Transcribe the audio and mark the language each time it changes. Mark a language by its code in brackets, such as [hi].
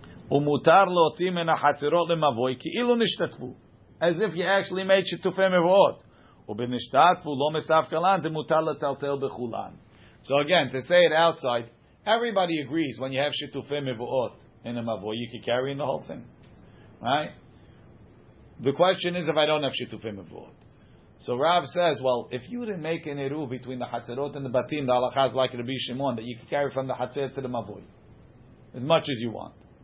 [he] ומותר להוציא מן החצרות למבוי כאילו נשתתפו. [en] As if you actually made שיתופי מבואות. [he] ובנשתתפו לא מסף כלן, דמותר לטלטל בכולן. [en] So again, to say it outside, everybody agrees when you have שיתופי מבואות in a מבוי, you can carry in the whole thing. Right? The question is if I don't have שיתופי מבואות. So Rav says, well, if you didn't make an Eruv between the Hatzerot and the Batim, the Halakha is like Rabbi Shimon, that you can carry from the Hatzer to the Mavoy, as much as you want.